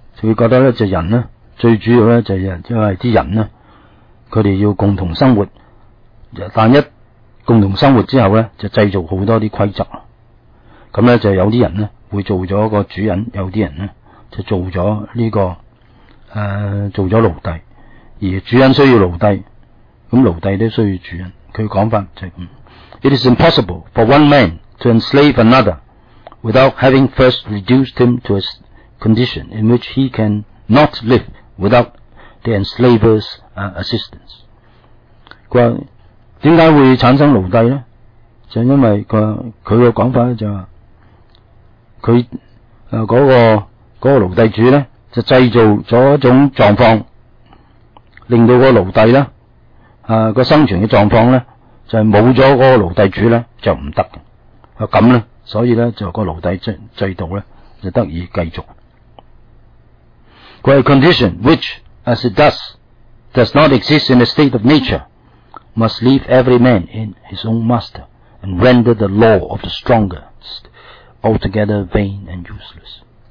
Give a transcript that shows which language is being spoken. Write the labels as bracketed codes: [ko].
[yue] 就会觉得咧就人咧最主要咧就系因为啲人咧，佢哋要共同生活，但一共同生活之后咧，就制造好多啲规则。咁咧就有啲人咧会做咗个主人，有啲人咧就做咗呢、这个。做咗奴隸，而主人需要奴隸，咁奴隸都需要主人。佢講法就係咁 [en] ：It is impossible for one man to enslave another without having first reduced him to a condition in which he can not live without the enslaver's assistance。 [yue] 佢話點解會產生奴隸咧？就因為佢嘅講法咧就話佢嗰個奴隸主咧。就製造咗一種狀況，令到個奴隸咧，個生存嘅狀況咧，就係冇咗個奴隸主咧就唔得嘅。咁咧，所以咧就個奴隸制度咧就得以繼續。佢係 [en] condition which, as it does not exist in the state of nature, must leave every man in his own master and render the law of the strongest altogether vain and useless。